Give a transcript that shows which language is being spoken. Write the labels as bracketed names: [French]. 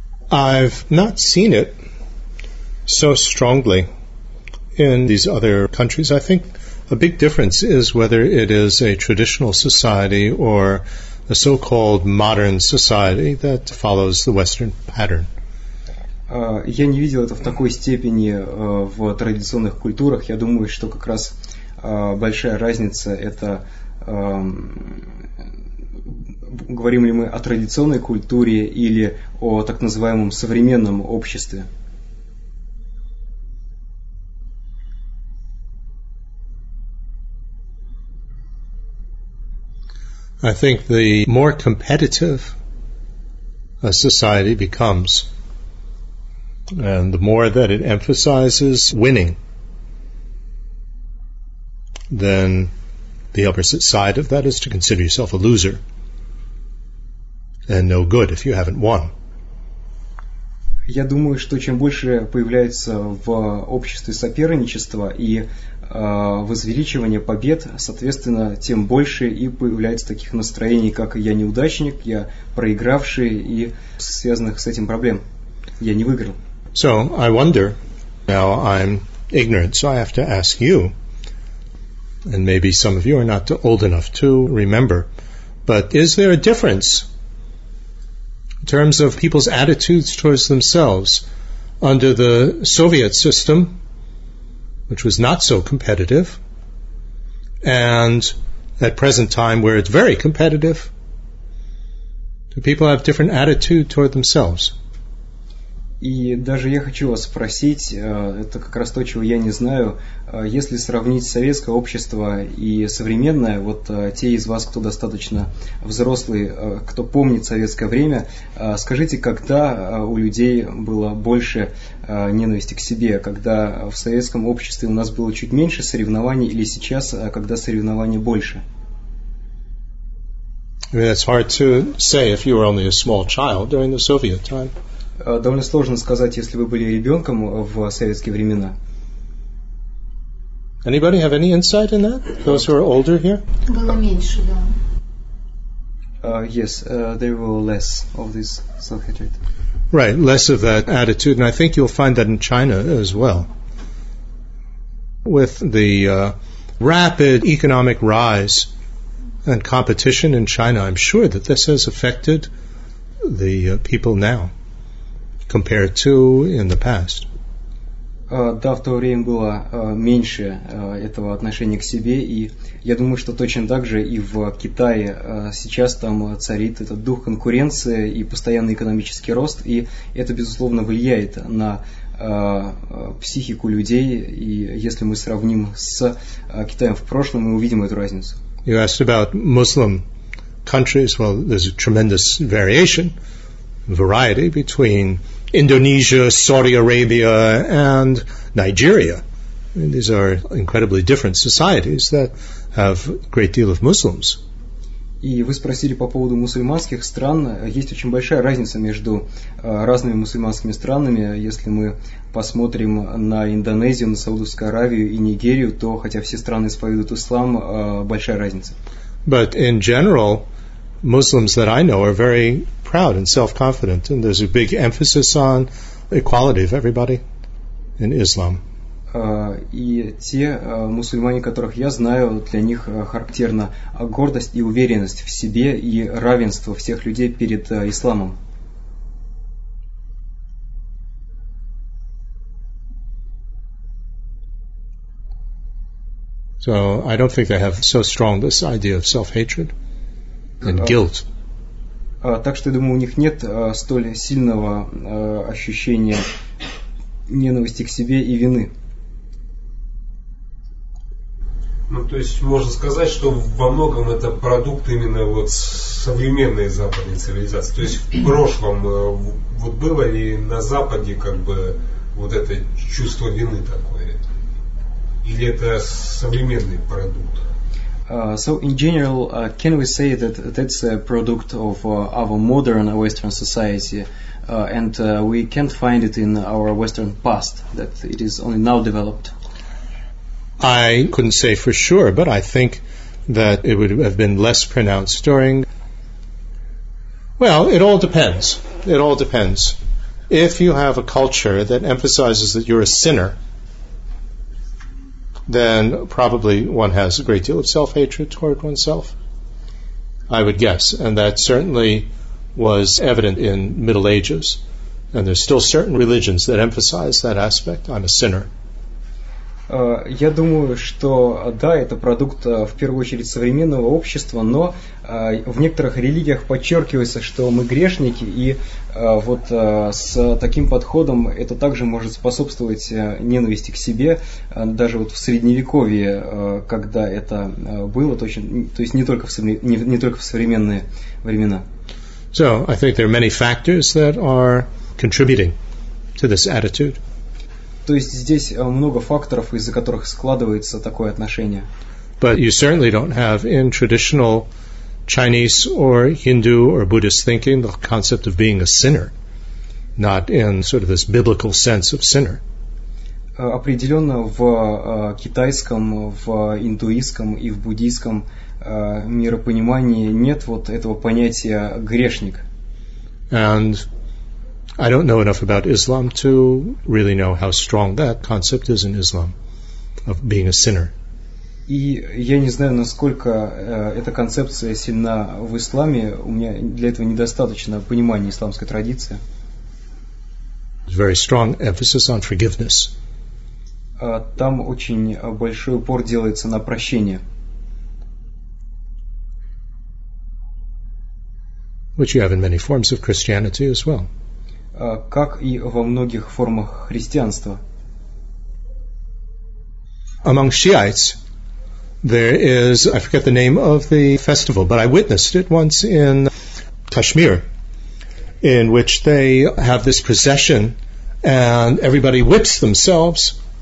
[English] I've not seen it so strongly in these other countries. I think a big difference is whether it is a traditional society or a so-called modern society that follows the Western pattern. [Russian] Я не видел это в такой степени в традиционных культурах. Я думаю, что как раз большая разница – это говорим ли мы о традиционной культуре или о так называемом современном обществе. [English] I think the more competitive a society becomes, and the more that it emphasizes winning, then the opposite side of that is to consider yourself a loser and no good if you haven't won. [Russian] Я думаю, что чем больше появляется в обществе соперничество и возвеличивание побед, соответственно, тем больше и появляется таких настроений, как «я неудачник», «я проигравший» и связанных с этим проблем. «Я не выиграл». [English] So, I wonder, now I'm ignorant, so I have to ask you, and maybe some of you are not old enough to remember, but is there a difference in terms of people's attitudes towards themselves under the Soviet system, which was not so competitive, and at present time where it's very competitive? Do people have different attitudes toward themselves? [Russian] И даже я хочу вас спросить, это как раз то, чего я не знаю, если сравнить советское общество и современное, вот те из вас, кто достаточно взрослый, кто помнит советское время, скажите, когда у людей было больше ненависти к себе, когда в советском обществе у нас было чуть меньше соревнований или сейчас, когда соревнований больше? [English] I mean, it's hard to say if you were only a small child during the Soviet time. [Russian] Довольно сложно сказать, если вы были ребенком в советские времена. [English] Anybody have any insight in that? Those who are older here? [Russian] Было меньше, да. [English] Yes, there were less of this self-hatred. Right, less of that attitude, and I think you'll find that in China as well. With the rapid economic rise and competition in China, I'm sure that this has affected the people now. Compared to in the past. [Russian] Да, в то время было меньше этого отношения к себе, и я думаю, что точно так же и в Китае сейчас там царит этот дух конкуренции и постоянный экономический рост, и это, безусловно, влияет на психику людей, и если мы сравним с Китаем в прошлом, мы увидим эту разницу. [English] You asked about Muslim countries. Well, there's a tremendous variation, variety between Indonesia, Saudi Arabia, and Nigeria. I mean, these are incredibly different societies that have a great deal of Muslims. [Russian] И вы спросили по поводу мусульманских стран. Есть очень большая разница между разными мусульманскими странами. Если мы посмотрим на Индонезию, на Саудовскую Аравию и Нигерию, то хотя все страны исповедуют ислам, большая разница. [English] But in general, Muslims that I know are very proud and self-confident, and there's a big emphasis on equality of everybody in Islam. [Russian] И те мусульмане, которых я знаю, для них характерна гордость и уверенность в себе и равенство всех людей перед исламом. [English] So I don't think they have so strong this idea of self-hatred and guilt. [Russian] Так что, я думаю, у них нет столь сильного ощущения ненависти к себе и вины. Ну, то есть можно сказать, что во многом это продукт именно вот современной западной цивилизации. То есть в прошлом вот было ли на Западе как бы вот это чувство вины такое? Или это современный продукт? [English] So in general, can we say that that's a product of our modern Western society, and we can't find it in our Western past, that it is only now developed? I couldn't say for sure, but I think that it would have been less pronounced during... Well, it all depends. It all depends. If you have a culture that emphasizes that you're a sinner, then probably one has a great deal of self-hatred toward oneself, I would guess. And that certainly was evident in Middle Ages. And there's still certain religions that emphasize that aspect. I'm a sinner. [Russian] Я думаю, что да, это продукт в первую очередь современного общества, но в некоторых религиях подчеркивается, что мы грешники, и вот с таким подходом это также может способствовать ненависти к себе, даже вот в средневековье, когда это было, то есть не только в современные времена. [English] So, I think there are many factors that are contributing to this attitude. [Russian] То есть здесь много факторов, из-за которых складывается такое отношение. [English] But you certainly don't have in traditional Chinese or Hindu or Buddhist thinking the concept of being a sinner. not in sort of this biblical sense of sinner. [Russian] Определенно в китайском, в индуистском и в буддийском миропонимании нет вот этого понятия грешник. [English] And I don't know enough about Islam to really know how strong that concept is in Islam of being a sinner. [Russian] И я не знаю, насколько эта концепция сильна в исламе. У меня для этого недостаточно понимания исламской традиции. [English] Very strong emphasis on forgiveness. [Russian] Там очень большой упор делается на прощение. [English] Which you have in many forms of Christianity as well. [Russian] Как и во многих формах христианства. [English] Among Shiites, there is, I forget the name of the festival, but I witnessed it once in Kashmir, in which they have this procession and everybody whips themselves.